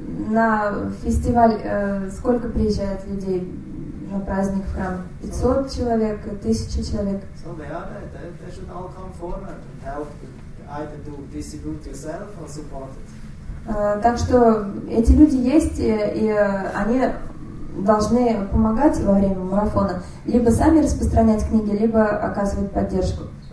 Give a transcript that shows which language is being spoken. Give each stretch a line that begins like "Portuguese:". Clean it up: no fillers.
Russian: На фестиваль сколько приезжает людей на праздник в храм? 500 so, человек, 1000 человек.
English: So they are there. They should all come forward and help either to distribute yourself or support it.
Russian: Так что эти люди есть, и они должны помогать во время марафона, либо сами распространять книги, либо оказывать поддержку.